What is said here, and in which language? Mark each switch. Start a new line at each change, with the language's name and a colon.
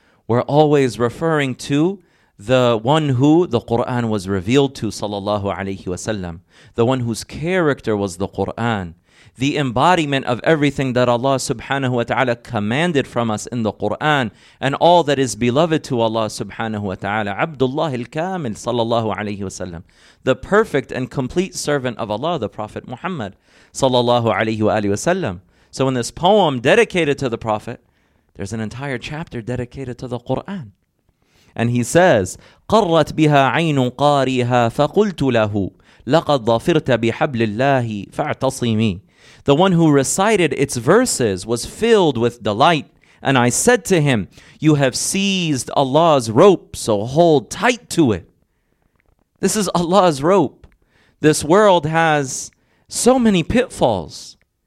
English: we're always referring to the one who the Qur'an was revealed to, sallallahu alayhi wa sallam, the one whose character was the Qur'an, the embodiment of everything that Allah subhanahu wa ta'ala commanded from us in the Qur'an, and all that is beloved to Allah subhanahu wa ta'ala, Abdullah al-Kamil sallallahu alayhi wa sallam, the perfect and complete servant of Allah, the Prophet Muhammad sallallahu alayhi wa sallam. So in this poem dedicated to the Prophet, there's an entire chapter dedicated to the Qur'an. And he says,
Arabic: قَرَّتْ بِهَا عَيْنٌ قَارِيهَا فَقُلْتُ لَهُ لَقَدْ ظَفِرْتَ بِحَبْلِ اللَّهِ فَاعْتَصِمِي.
English: The one who recited its verses was filled with delight, and I said to him, you have seized Allah's rope, so hold tight to it. This is Allah's rope. This world has so many pitfalls.